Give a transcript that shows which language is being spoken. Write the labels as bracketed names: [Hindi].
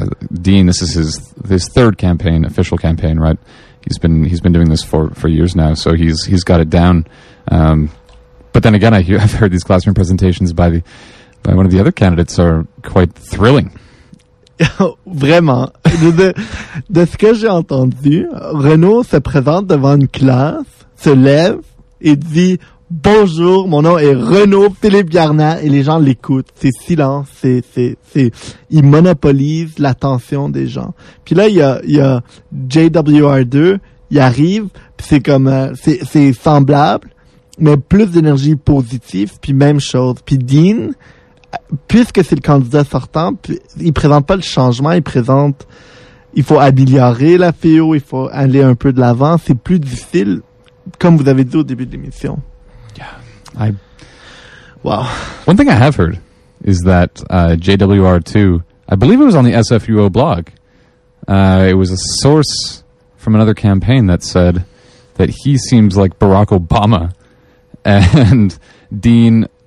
[English] Dean, this is his third campaign, official campaign, right? He's been doing this for years now, so he's got it down. But then again, I've heard these classroom presentations by one of the other candidates are quite thrilling. [French] Vraiment. De ce que j'ai entendu, Renaud se présente devant une classe, se lève et dit « Bonjour, mon nom est Renaud Philippe Garnat » et les gens l'écoutent. C'est silence, c'est il monopolise l'attention des gens. Puis là, il y a JWR2, il arrive, puis c'est comme c'est semblable, mais plus d'énergie positive, puis même chose. Puis Dean, puisque c'est le candidat sortant, puis, il présente pas le changement, il présente il faut améliorer la FIO, il faut aller un peu de l'avant, c'est plus difficile, comme vous avez dit au début de l'émission. [English] Wow. One thing I have heard is that JWR2, I believe it was on the SFUO blog, it was a source from another campaign that said that he seems like Barack Obama, and Dean